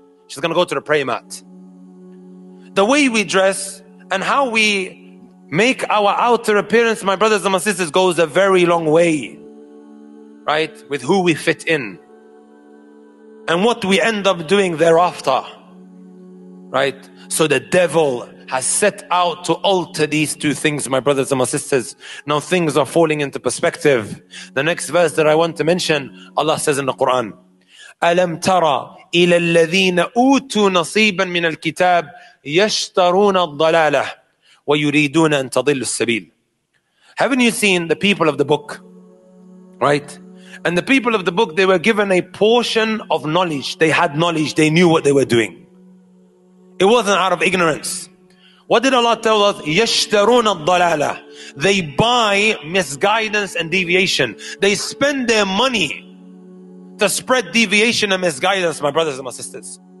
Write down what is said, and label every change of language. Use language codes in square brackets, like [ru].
[en] She's going to go to the prayer mat. The way we dress and how we make our outer appearance, my brothers and my sisters, goes a very long way, right? With who we fit in and what we end up doing thereafter, right? So the devil has set out to alter these two things, my brothers and my sisters. Now things are falling into perspective. The next verse that I want to mention, Allah says in the Quran, [ar] أَلَمْ تَرَى إِلَى الَّذِينَ أُوتُوا نَصِيبًا مِنَ الْكِتَابِ يَشْتَرُونَ الضَّلَالَةِ وَيُرِيدُونَ أَن تَضِلُّ السَّبِيلِ. [en] Haven't you seen the people of the book? Right? And the people of the book, they were given a portion of knowledge. They had knowledge. They knew what they were doing. It wasn't out of ignorance. What did Allah tell us? [ar] يَشْتَرُونَ الضَّلَالَةَ. [en] They buy misguidance and deviation. They spend their money to spread deviation and misguidance, my brothers and my sisters.